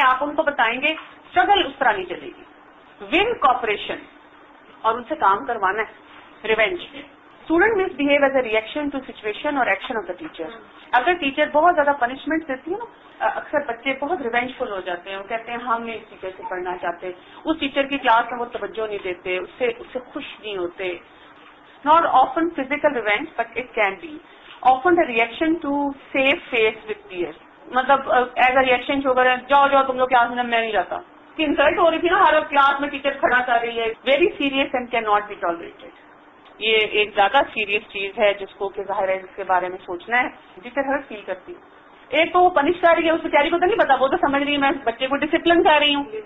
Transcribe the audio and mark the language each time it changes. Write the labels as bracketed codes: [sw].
[ur] آپ ان کو بتائیں گے اسٹرگل اس طرح نہیں چلے گی. ون کوپریشن اور ان سے کام کروانا ہے. [en] Revenge: student misbehave as a reaction to situation اور action of the teacher. [ur] اگر ٹیچر بہت زیادہ پنشمنٹ دیتی ہے نا, اکثر بچے بہت ریونج فل ہو جاتے ہیں, وہ کہتے ہیں ہم نہیں اس ٹیچر سے پڑھنا چاہتے, اس ٹیچر کی کلاس میں وہ توجہ نہیں دیتے, اس سے خوش نہیں ہوتے. [en] Not often physical revenge but it can be often a reaction to save face with peer. [ur] مطلب ایز اے ریئیکشن شو کریں, جاؤ جاؤ تم لوگ کلاس میں, میں نہیں جاتا. انسلٹ ہو رہی تھی نا ہر کلاس میں, ٹیچر کھڑا کر رہی ہے. [en] Very serious and can not be tolerated. [ur] یہ ایک زیادہ سیریس چیز ہے جس کو کہ ظاہر ہے اس کے بارے میں سوچنا ہے. ٹیچر ہر فیل کرتی, ایک تو وہ پنش کر رہی ہے, اس بیچاری کو تو نہیں پتا, وہ تو سمجھ رہی ہے میں بچے کو ڈسپلن کر رہی ہوں.